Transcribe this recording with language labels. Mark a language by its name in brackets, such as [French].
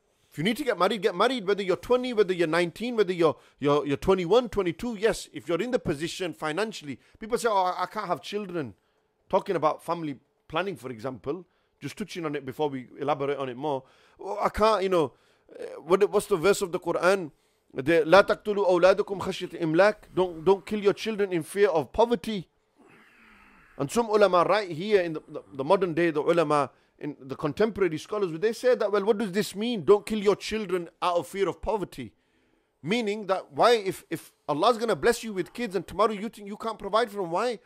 [English] If you need to get married, get married. Whether you're 20, whether you're 19, whether you're 21, 22, yes. If you're in the position financially, people say, oh, I can't have children. Talking about family planning, for example, just touching on it before we elaborate on it more. Oh, I can't, you know, what's the verse of the Quran? [Arabic] لا تقتلوا أولادكم خشية إملاك. [English] Don't kill your children in fear of poverty. And some ulama right here in the modern day, the ulama, in the contemporary scholars, they say that, well, what does this mean? Don't kill your children out of fear of poverty. Meaning that, why, if Allah's going to bless you with kids and tomorrow you think you can't provide for them, why?